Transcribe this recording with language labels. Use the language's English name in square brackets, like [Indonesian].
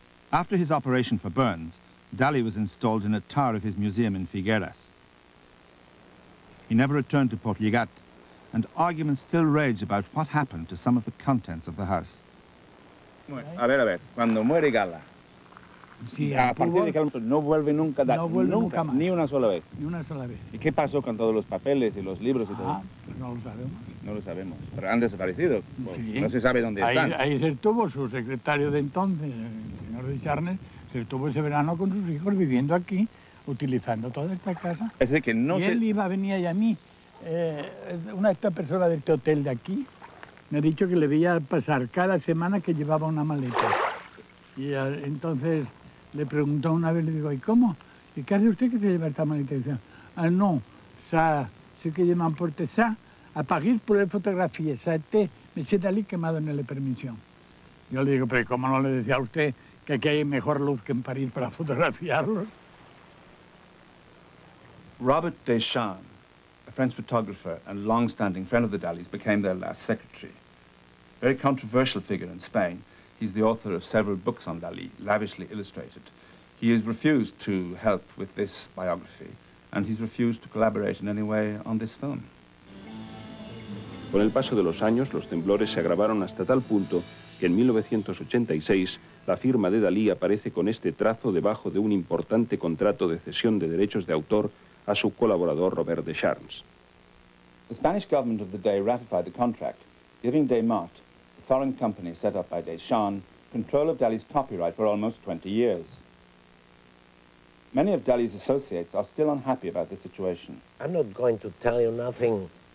[English] After his operation for burns, Dali was installed in a tower of his museum in Figueras. He never returned to Portlligat, and arguments still rage about what happened to some of the contents of the house. [Spanish] A ver, cuando muere Gala. Sí, a partir de que el no vuelve nunca, no vuelve nunca más. Ni una sola vez. Ni una sola vez. ¿Y qué pasó con todos los papeles y los libros y todo? Pues no lo sabemos. No lo sabemos. Pero han desaparecido. Sí. No se sabe dónde ahí, están. Ahí se estuvo su secretario de entonces, el señor Richarnes, se estuvo ese verano con sus hijos viviendo aquí, utilizando toda esta casa. Es decir, que no y se... él iba, venía y a mí. Una esta persona de este hotel de aquí me ha dicho que le veía pasar cada semana que llevaba una maleta. Y entonces le preguntó una vez, le digo, ¿y cómo? ¿Y qué hace usted que se lleva esta maleta? Y dice, ah, no, sa, sé que llevan por tesa, a pagar por la fotografía, sa, este, me sé Dalí quemado en la permisión. Yo le digo, pero ¿cómo no le decía a usted que aquí hay mejor luz que en París para fotografiarlo? [English] Robert Deschamps, a French photographer and long-standing friend of the Dalís, became their last secretary. Very controversial figure in Spain. He's the author of several books on Dalí, lavishly illustrated. He has refused to help with this biography, and he's refused to collaborate in any way on this film. [Spanish] Con el paso de los años, los temblores se agravaron hasta tal punto que en 1986 la firma de Dalí aparece con este trazo debajo de un importante contrato de cesión de derechos de autor a su colaborador Robert Deschamps. [English] The Spanish government of the day ratified the contract, giving Desmarts, foreign company set up by Deschamps, control of Dalí's copyright for almost 20 years. Many of Dalí's associates are still unhappy about the situation. I'm not going to tell you nothing.